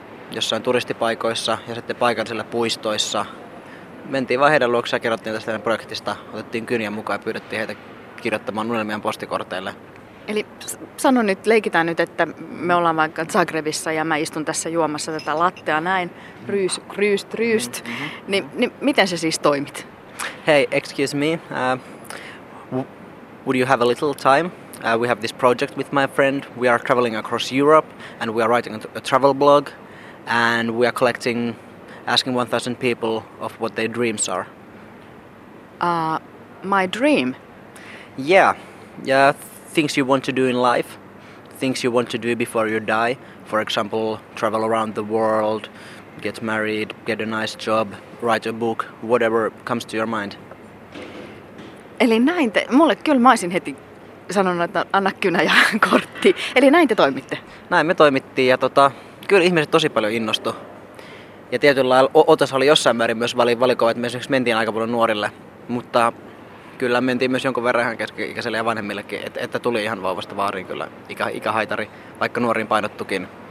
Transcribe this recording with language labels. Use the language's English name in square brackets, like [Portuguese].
[Finnish] Jossain turistipaikoissa ja sitten paikallisilla puistoissa. Mentiin vaan heidän luokse ja kerrottiin tästä projektista. Otettiin kyniä mukaan ja pyydettiin heitä kirjoittamaan unelmien postikorteille. Eli sano nyt, leikitään nyt, että me ollaan vaikka Zagrebissa ja mä istun tässä juomassa tätä lattea näin, ryyst. Mm-hmm. Niin miten sä siis toimit? [English] Hey, excuse me. Would you have a little time? We have this project with my friend. We are traveling across Europe and we are writing a travel blog. And we are collecting, asking 1,000 people of what their dreams are. My dream? Yeah. Yeah, things you want to do in life. Things you want to do before you die. For example, travel around the world, get married, get a nice job, write a book, whatever comes to your mind. [Finnish] Eli näin te... Mulle kyllä mä olisin heti sanonut, että anna kynä ja kortti. Eli näin te toimitte? Näin me toimittiin ja kyllä ihmiset tosi paljon innostui. Ja tietyllä lailla otos oli jossain määrin myös valikoiva, että me esimerkiksi mentiin aika paljon nuorille. Mutta kyllä mentiin myös jonkun verran ihan keski-ikäiselle ja vanhemmillekin, että tuli ihan vauvasta vaariin kyllä ikähaitari, vaikka nuoriin painottukin.